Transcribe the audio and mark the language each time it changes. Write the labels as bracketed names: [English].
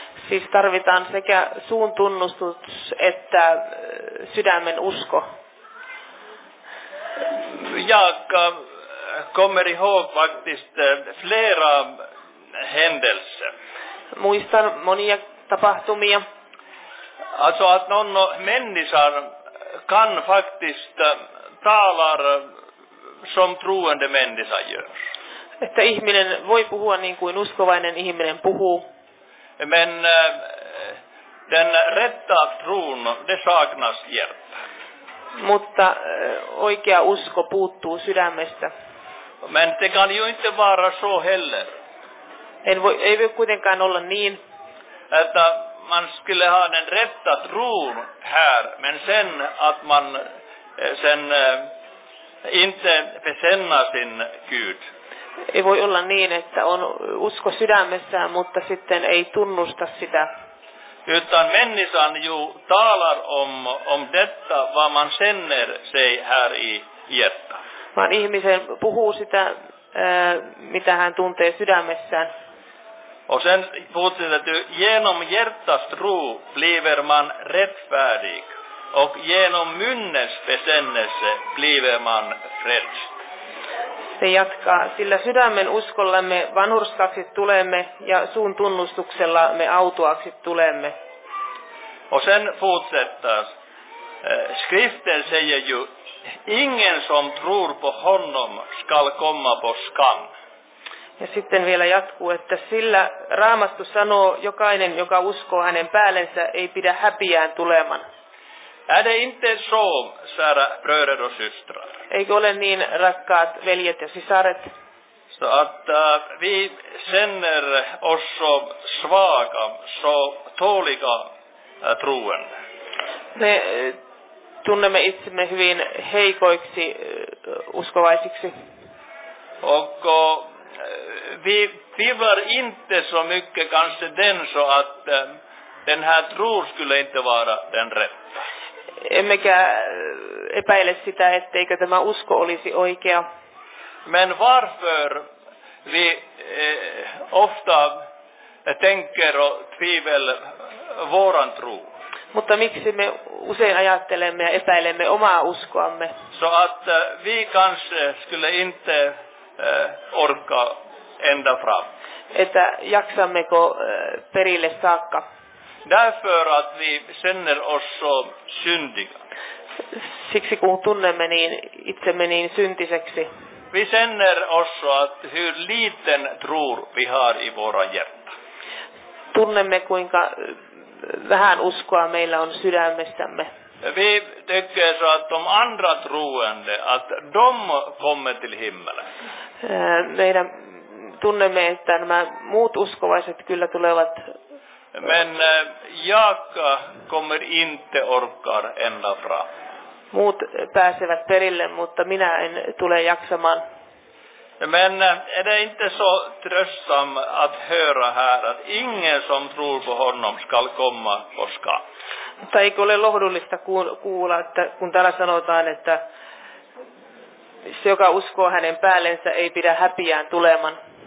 [Finnish] Siis tarvitaan sekä suun tunnustus että sydämen usko. [Swedish] Jag kommer ihåg faktiskt flera händelser. [Finnish] Muistan monia tapahtumia. [Swedish] Alltså att någon människa kan faktiskt talar som troende människa gör. [Finnish] Että ihminen voi puhua niin kuin uskovainen ihminen puhuu. [Swedish] Men den rätta tron, det saknas hjärta. [Finnish] Mutta oikea usko puuttuu sydämestä. [Swedish] Men det kan ju inte vara så heller. [Finnish] Ei voi kuitenkaan olla niin. [Swedish] Että man skulle ha den rätta tron här, men sen att man sen inte besänna sin Gud. [Finnish] Ei voi olla niin, että on usko sydämessään, mutta sitten ei tunnusta sitä. [Swedish] Utan människan ju talar om detta, vad man känner sig här i hjärta. [Finnish] Vaan ihmisen puhuu sitä, mitä hän tuntee sydämessään. [Swedish] Och sen fortsätter du, genom hjärtas tro blir man rättfärdig. Och genom munnens bekännelse blir man frälst. [Finnish] Se jatkaa, sillä sydämen uskollamme vanhurskaksi tulemme ja suun tunnustuksella me autuaksi tulemme. [Swedish] Och sen fortsätter, skriften säger ju, ingen som tror på honom skall komma på skam. [Finnish] Ja sitten vielä jatkuu, että sillä Raamattu sanoo, jokainen, joka uskoo hänen päällensä, ei pidä häpiään tuleman. [Swedish] Är det inte så, kära bröder och systrar? [Finnish] Eikö ole niin, rakkaat veljet ja sisaret? [Swedish] Så att vi känner oss så svaga, så tåliga troende. [Finnish] Me tunnemme itsemme hyvin heikoiksi uskovaisiksi. [Swedish] Onko vi tvivlar inte så mycket kanske den så att den här tron skulle inte vara den rätta. [Finnish] Emmekä epäile sitä, etteikö tämä usko olisi oikea. [Swedish] Men varför vi ofta tänker och tvivel våran tro. [Finnish] Mutta miksi me usein ajattelemme ja epäilemme omaa uskoamme? [Swedish] Så att vi kanske skulle inte orka ända fram. [Finnish] Että jaksammeko perille saakka. [Swedish] Därför att vi känner oss så syndiga. [Finnish] siksi kun tunnemme niin itsemme niin syntiseksi. [Swedish] Vi känner också att hur liten tro vi har i våra hjärta. [Finnish] Tunnemme kuinka vähän uskoa meillä on sydämestämme. [Swedish] Vi tycker så att de andra troende, att de kommer till himmelen. [Finnish] Meidän tunnemme, että nämä muut uskovaiset kyllä tulevat. [Swedish] Men jag kommer inte orkar ända fram. [Finnish] Muut pääsevät perille, mutta minä en tule jaksamaan. [Swedish] Men är det inte så tröstsam att höra här att ingen som tror på honom skall komma koskaan. [Finnish] Mutta eikö ole lohdullista kuulla, että kun täällä sanotaan, että se, joka uskoo hänen päällensä, ei pidä häpiään tuleman.